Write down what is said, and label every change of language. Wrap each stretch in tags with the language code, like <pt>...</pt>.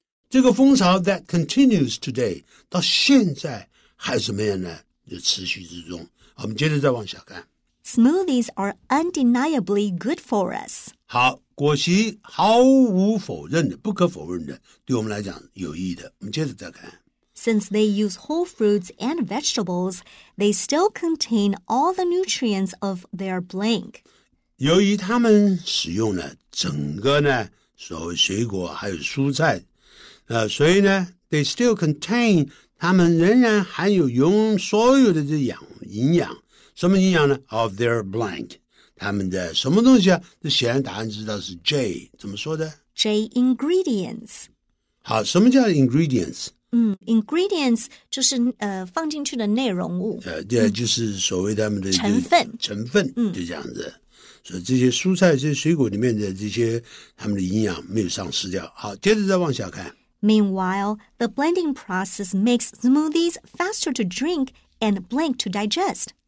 <zh>这个风潮</zh> <en>that continues today</en> <zh>到现在还怎么样呢？就持续之中。我们接着再往下看。</zh> <en>Smoothies are undeniably good for us。</en> <zh>好，果昔毫无否认的，不可否认的，对我们来讲有益的。我们接着再看。</zh> <en>Since they use whole fruits and vegetables, they still contain all the nutrients of their blank.</en> <zh>由于他们使用了整个呢所谓水果还有蔬菜，所以呢</zh> <en>they still contain</en> <zh>他们仍然含有用所有的这营养，什么营养呢</zh> <en>of their blank，</en> <zh>他们的什么东西啊？这显然答案知道是 J， 怎么说的</zh> <en>J ingredients。</en> <zh>好，什么叫 ingredients？ Ingredients 就是放进去的内容物。就是所谓他们的成分。成分就这样子。所以这些蔬菜这些水果里面的这些他们的营养没有丧失掉。好，接着再往下看。</zh> <en>Meanwhile, the blending process makes smoothies faster to drink and blank to digest.</en>